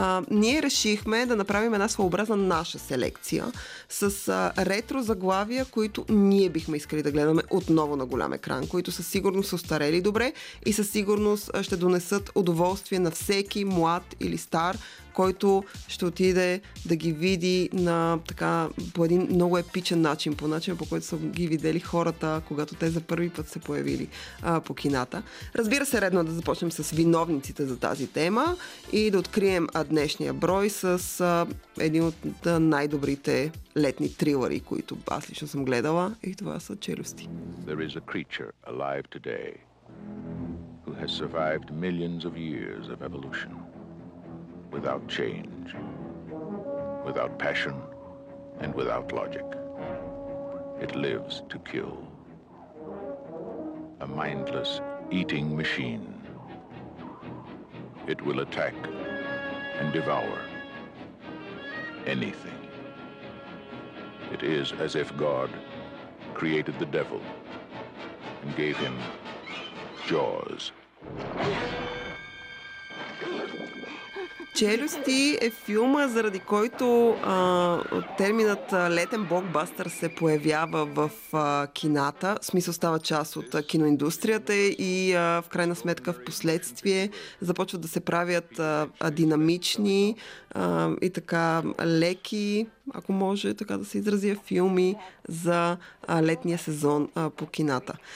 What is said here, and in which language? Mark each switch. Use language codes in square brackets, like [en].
[bg] ние решихме да направим една своеобразна наша селекция с ретро заглавия, които ние бихме искали да гледаме отново на голям екран, които със сигурност са устарели добре и със сигурност ще донесат удоволствие на всеки млад или стар, който ще отиде да ги види на така по един много епичен начин, по начин, по който са ги видели хората, когато те за първи път се появили по кината. Разбира се, редно да започнем с виновниците за тази тема и да открием днешния брой с един от най-добрите летни трилъри, които аз лично съм гледала, и това са Челюсти. [en] There is a creature alive today who has survived millions of years of evolution. Without change, without passion, and without logic. It lives to kill. A mindless eating machine. It will attack and devour anything. It is as if God created the devil and gave him jaws. [bg] Челюсти е филма, заради който терминът летен блокбастър се появява в кината, в смисъл става част от киноиндустрията и в крайна сметка в последствие започват да се правят динамични и така леки, ако може така да се изразя, филми за летния сезон по кината.